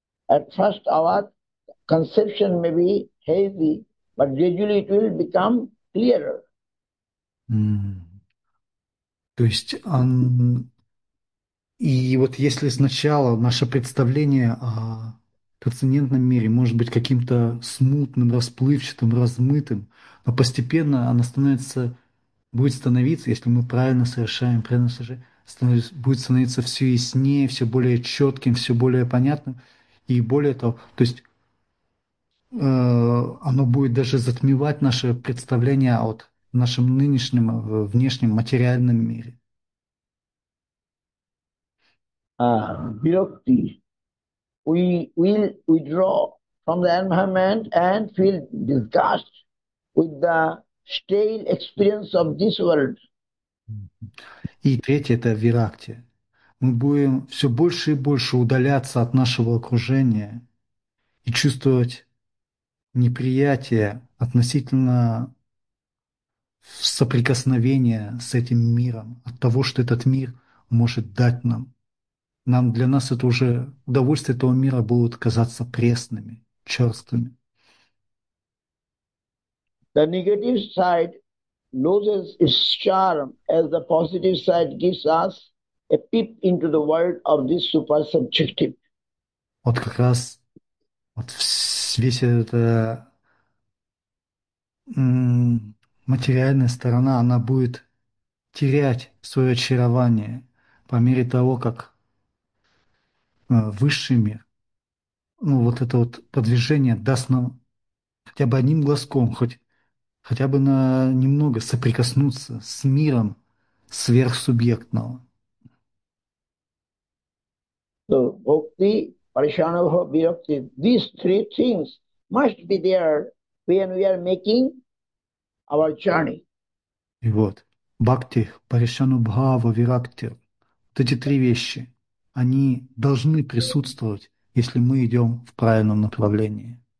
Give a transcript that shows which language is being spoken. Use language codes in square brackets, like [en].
[en] At first, our conception may be hazy, but gradually it will become clearer. [ru] То есть, и вот если сначала наше представление о трансцендентном мире может быть каким-то смутным, расплывчатым, размытым, но постепенно оно становится, будет становиться, если мы правильно совершаем, правильно совершаем, становится, будет становиться все яснее, все более четким, все более понятным, и более того, то есть оно будет даже затмевать наше представление от в нашем нынешнем, внешнем, материальном мире. [sa] Virakti. [en] We will withdraw from the environment and feel disgust with the stale experience of this world. [ru] И третье – это виракти. Мы будем все больше и больше удаляться от нашего окружения и чувствовать неприятие относительно соприкосновение с этим миром, от того, что этот мир может дать нам. Нам для нас это уже удовольствие этого мира будут казаться пресными, черствыми. [en] The negative side loses its charm as the positive side gives us a peep into the world of this super subjective. [ru] Вот как раз вот весь этот материальная сторона, она будет терять свое очарование по мере того, как высший мир, ну вот это вот продвижение даст нам хотя бы одним глазком, хотя бы на немного соприкоснуться с миром сверхсубъектного. [en] So, bhakti, parishanubhava, virakti, these three things must be there when we are making our journey. [ru] И вот, бхакти, парешанубхава, виракти, вот эти три вещи, они должны присутствовать, если мы идем в правильном направлении.